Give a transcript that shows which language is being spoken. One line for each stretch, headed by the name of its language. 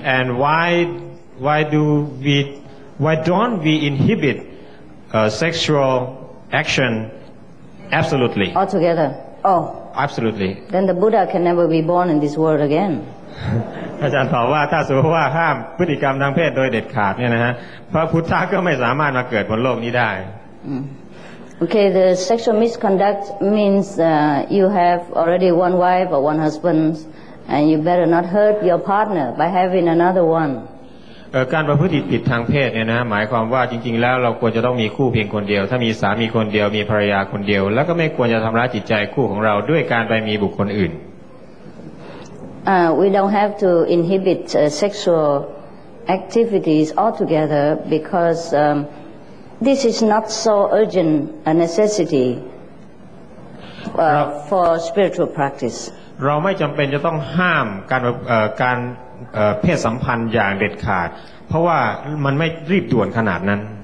English: and why don't we inhibit sexual action absolutely altogether oh Absolutely. Then the Buddha can never be born in this world again.
Thai: อาจารย์ตอบว่าถ้าสมมติว่าห้ามพฤติกรรมทางเพศโดยเด็ดขาดเนี่ยนะฮะพระพุทธะก็ไม่สามารถมาเกิดบนโลกนี้ได้
English: Okay, the sexual misconduct means you have already one wife or one husband, and you better not hurt your partner by having another one.
Thai: การประพฤติผิดทางเพศเนี่ยนะหมายความว่าจริงๆแล้วเราควรจะต้องมีคู่เพียงคนเดียวถ้ามีสามีคนเดียวมีภรรยาคนเดียวแล้วก็ไม่ควรจะทำร้ายจิตใจคู่ของเราด้วยการไปมีบุคคลอื่น
English: We don't have to inhibit sexual activities altogether because this is not so urgent a necessity for spiritual practice
Thai: เราไม่จำเป็นจะต้องห้ามการเพศสัมพันธ์อย่างเด็ดขาดเพราะว่ามันไม่รีบด่วนขนาดนั้น